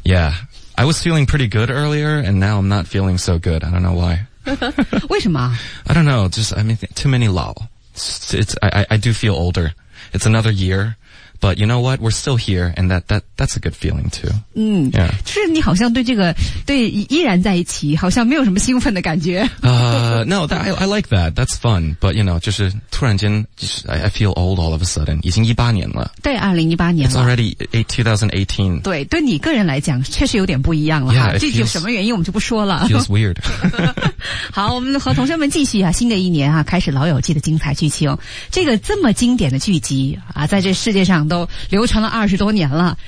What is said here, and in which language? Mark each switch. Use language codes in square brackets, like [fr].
[en] Yeah, I was feeling pretty good earlier and now I'm not feeling so good, I don't know why. [zh] 为什么？ [en] I don't know, just, I mean, too many 老 I do feel older. It's another year, but you know what, we're still here and that's a good feeling too. [zh] 就是你好像对这个对依然在一起好像没有什么兴奋的感觉。 [en] No, I like that, that's fun, but you know, [zh] 就是突然间 [en] I feel old all of a sudden, [zh] 已经18年了。对 ,2018 年了。 [en] It's already 2018. [zh] 对，对你个人来讲确实有点不一样了。 [en] Yeah, [zh] 具体有什么原因我们就不说了。 [en] Feels weird. [zh] 好，我们和同学们继续啊，新的一年啊开始老友记的精彩剧情。这个这么经典的剧集啊在这世界上都流传了20多年了。